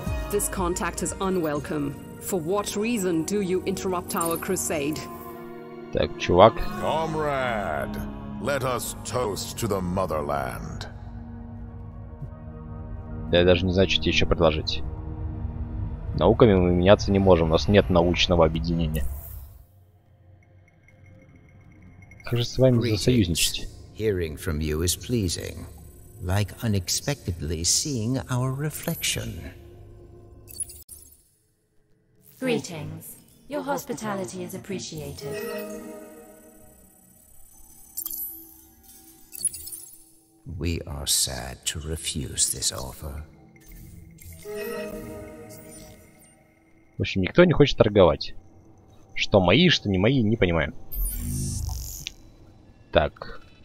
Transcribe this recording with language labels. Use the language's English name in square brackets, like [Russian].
[English] This contact is unwelcome. For what reason do you interrupt our crusade? [Russian] Так, чувак. [English] Comrade, let us toast to the motherland. [Russian] Да я даже не знаю, что тебе еще предложить. Науками мы меняться не можем, у нас нет научного объединения. Как же с вами засоюзничать? [English] Hearing from you is pleasing, like unexpectedly seeing our reflection. Greetings. Your hospitality is appreciated. We are sad to refuse this offer. [Russian] В общем, никто не хочет торговать. Что мои, что не мои, не понимаю. Так.